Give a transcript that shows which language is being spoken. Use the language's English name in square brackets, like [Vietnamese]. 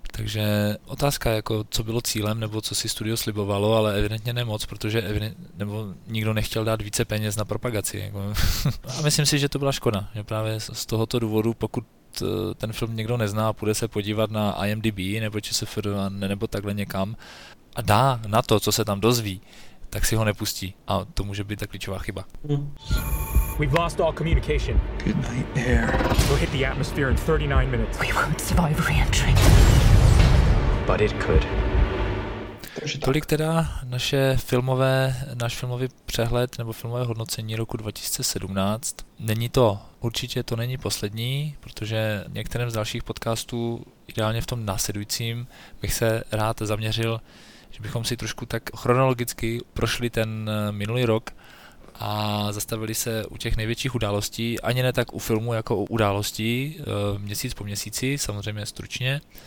[Czech] Takže otázka, jako co bylo cílem, nebo co si studio slibovalo, ale evidentně nemoc, protože nebo nikdo nechtěl dát více peněz na propagaci. Jako. A myslím si, že to byla škoda, že právě z tohoto důvodu, pokud ten film někdo nezná a půjde se podívat na IMDb, nebo ČSFD, nebo takhle někam, a dá na to, co se tam dozví, tak si ho nepustí. A to může být ta klíčová chyba. [English] We've lost all communication. Good night, air. We'll hit the atmosphere in 39 minutes. We won't survive re-entry. But it could. [Czech] Tolik teda náš filmový přehled nebo filmové hodnocení roku 2017. Není to, určitě to není poslední, protože některým z dalších podcastů, ideálně v tom následujícím, bych se rád zaměřil, že bychom si trošku tak chronologicky prošli ten minulý rok a zastavili se u těch největších událostí, ani ne tak u filmu jako u událostí, měsíc po měsíci, samozřejmě stručně,